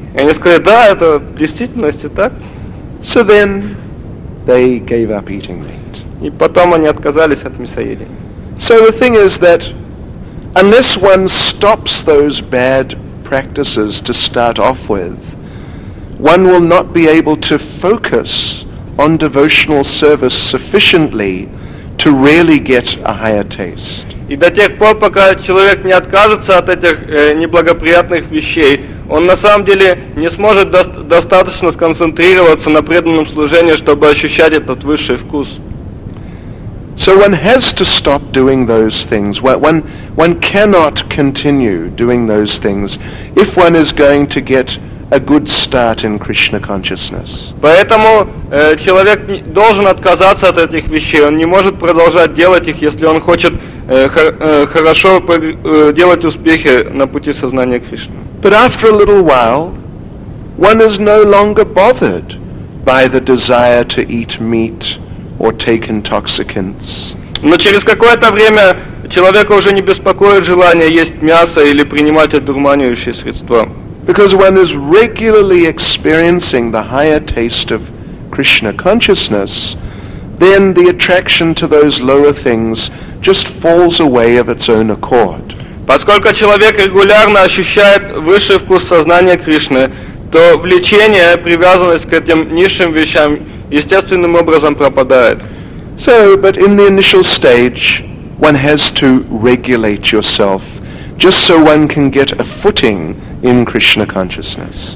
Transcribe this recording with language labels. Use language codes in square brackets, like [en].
[ru] И они сказали, да, это в действительности так. [en] So then they gave up eating meat. [ru] И потом они отказались от мясоедения. [en] So the thing is that unless one stops those bad practices to start off with, one will not be able to focus on devotional service sufficiently to really get a higher taste. [ru] И до тех пор, пока человек не откажется от этих неблагоприятных вещей, он на самом деле не сможет достаточно сконцентрироваться на преданном служении, чтобы ощущать этот высший вкус. [en] So one has to stop doing those things. One cannot continue doing those things if one is going to get a good start in Krishna consciousness. [ru] Поэтому человек должен отказаться от этих вещей. Он не может продолжать делать их, если он хочет хорошо делать успехи на пути сознания Кришны. [en] But after a little while, one is no longer bothered by the desire to eat meat or take intoxicants. [ru] Но через какое-то время человека уже не беспокоит желание есть мясо или принимать одурманивающие средства. [en] Because one is regularly experiencing the higher taste of Krishna consciousness, then the attraction to those lower things just falls away of its own accord. [ru] Поскольку человек регулярно ощущает высший вкус сознания Кришны, то влечение, привязанность к этим низшим вещам естественным образом пропадает. [en] So, but in the initial stage, one has to regulate yourself just so one can get a footing in Krishna consciousness.